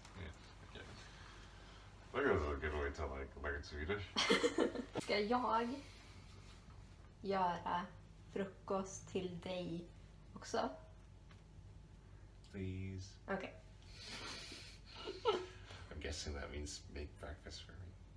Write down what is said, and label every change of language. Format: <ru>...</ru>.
<en>Yeah. Okay. I think it was a good way to like it Swedish.</en> <sv>Ska jag göra frukost till dig också?</sv> <en>Please. Okay. I'm guessing that means make breakfast for me.</en>